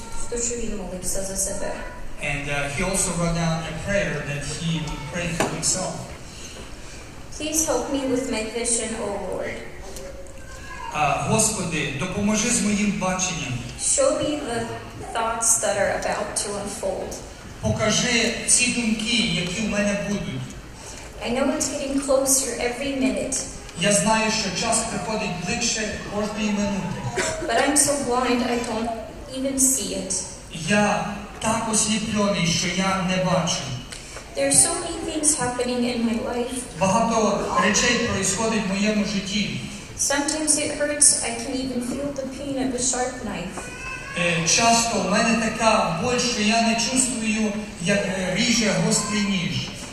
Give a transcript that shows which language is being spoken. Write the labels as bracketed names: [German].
[Ukrainian] То що він молився за себе. [English] And he also wrote down a prayer that he prayed for himself. Please help me with my vision, O Lord. [Ukrainian] Господи, допоможи з моїм баченням. [English] Show me the thoughts that are about to unfold. [Ukrainian] Покажи ці думки, які у мене будуть. [English] I know it's getting closer every minute. [Ukrainian] Я знаю, що час приходить ближче кожної минути. [English] But I'm so blind I don't even see it. [Ukrainian] Я так осліплений, що я не бачу. [English] There's so many things happening in my life. [Ukrainian] Багато речей відбувається в моєму житті. [English] Sometimes it hurts, I can even feel the pain of a sharp knife. [Ukrainian] Часто в мене така боль, що я не чувствую, як ріже гострий ніж.